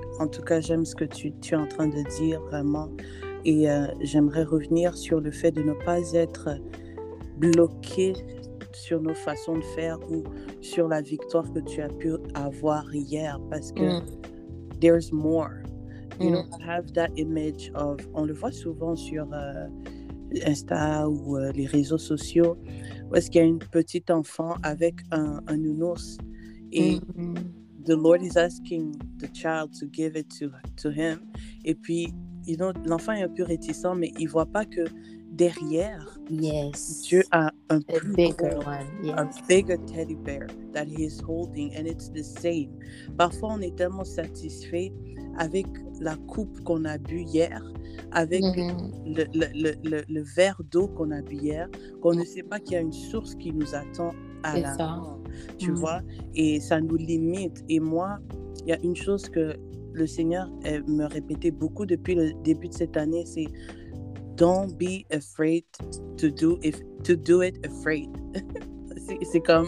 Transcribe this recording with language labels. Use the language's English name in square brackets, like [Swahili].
[French] En tout cas, j'aime ce que tu es en train de dire, vraiment. Et j'aimerais revenir sur le fait de ne pas être bloqué sur nos façons de faire ou sur la victoire que tu as pu avoir hier. Parce que [English] there's more. You know, I have that image of... [French] On le voit souvent sur Insta ou les réseaux sociaux. Où est-ce qu'il y a une petite enfant avec un nounours et... [English] The Lord is asking the child to give it to him. [French] Et puis, [English] you know, [French] l'enfant est un peu réticent, mais il ne voit pas que derrière, Dieu a un [English] bigger teddy bear that he is holding, and it's the same. [French] Parfois, on est tellement satisfait avec la coupe qu'on a bu hier, avec le verre d'eau qu'on a bu hier, qu'on ne sait pas qu'il y a une source qui nous attend. Tu vois, et ça nous limite. Et moi, il y a une chose que le Seigneur me répétait beaucoup depuis le début de cette année, c'est [English] don't be afraid to do it afraid. [French] c'est comme